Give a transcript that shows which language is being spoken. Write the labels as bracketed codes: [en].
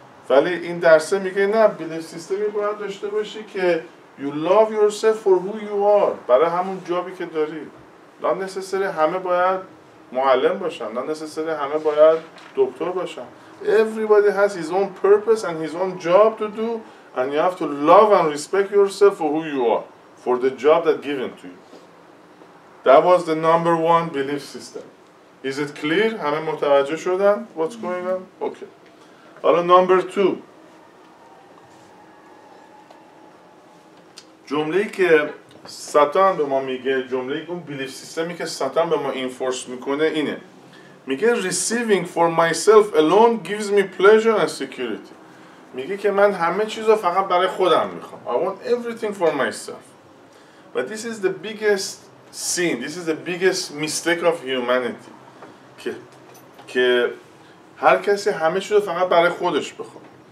[fa] ولی این درسه میگه نه، بیلیف سیستمی باید داشته باشی که [en] You love yourself for who you are. [fa] برای همون جابی که داری. نه نسسره همه باید معلم باشن، نه نسسره همه باید دکتر باشن. [en] Everybody has his own purpose and his own job to do. And you have to love and respect yourself for who you are, for the job that given to you. That was the number one belief system. Is it clear? [fa] همه متوجه شدن? [en] What's going on? Okay. حالا number two. [fa] جمله‌ای که ساتان به ما میگه، جمله‌ای که اون belief systemی که ساتان به ما enforce میکنه اینه. [en] میگه receiving for myself alone gives me pleasure and security. [fa] میگه که من همه چیزو فقط برای خودم میخوام. [en] I want everything for myself. But this is the biggest sin. This is the biggest mistake of humanity. [fa] که هر کسی همه چیزو فقط برای خودش بخواد.